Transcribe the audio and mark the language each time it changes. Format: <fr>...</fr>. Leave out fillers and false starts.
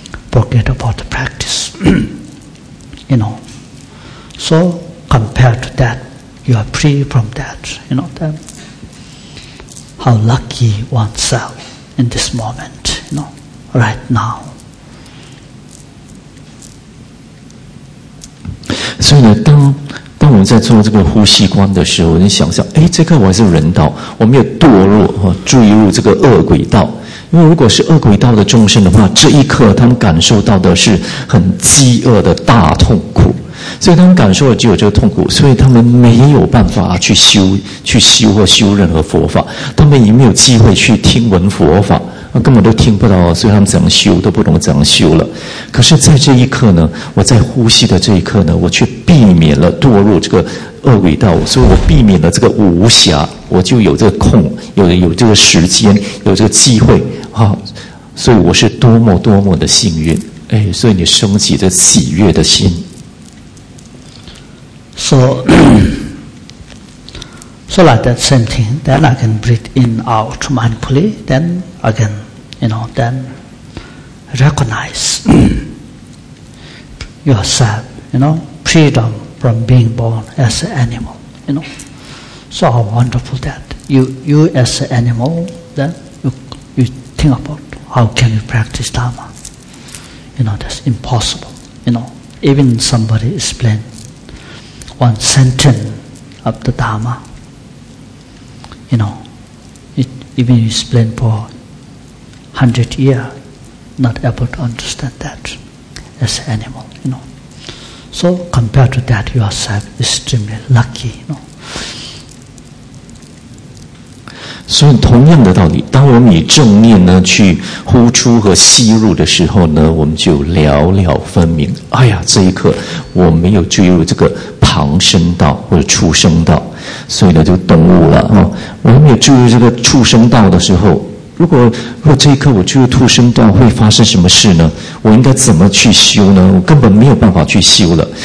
<en>Forget about the practice. You know. So, compared to that, you are free from that. You know, then how lucky oneself in this moment, you know, right now.</en> <zh>所以呢，当我们在做这个呼吸观的时候，你想想，哎，这个我还是人道，我没有堕落哈，坠入这个恶鬼道。因为如果是恶鬼道的众生的话，这一刻他们感受到的是很饥饿的大痛苦，所以他们感受的只有这个痛苦，所以他们没有办法去修或修任何佛法，他们也没有机会去听闻佛法。根本都听不到，所以他们怎么修都不懂怎么修了。可是在这一刻呢，我在呼吸的这一刻呢，我却避免了堕入这个恶鬼道，所以我避免了这个无暇，我就有这个空，有这个时间，有这个机会啊，所以我是多么多么的幸运。哎，所以你升起这喜悦的心。</zh> <en>So like that same thing, then I can breathe in, out mindfully, then again, you know, then recognize yourself, you know, freedom from being born as an animal, you know. So how wonderful that you as an animal, then you think about how can you practice Dharma. You know, that's impossible, you know. Even somebody explain one sentence of the Dharma,You know, even you explain for 100 years, not able to understand that as an animal, you know. So compared to that, yourself is extremely lucky, you know.</en> <zh>所以同样的道理，当我们以正念呢去呼出和吸入的时候呢，我们就了了分明。哎呀，这一刻我没有坠入这个旁生道或者畜生道。所以呢就顿悟了，我们也注意这个畜生道的时候，如果这一刻我注意畜生道会发生什么事呢，我应该怎么去修呢，我根本没有办法去修了。</zh>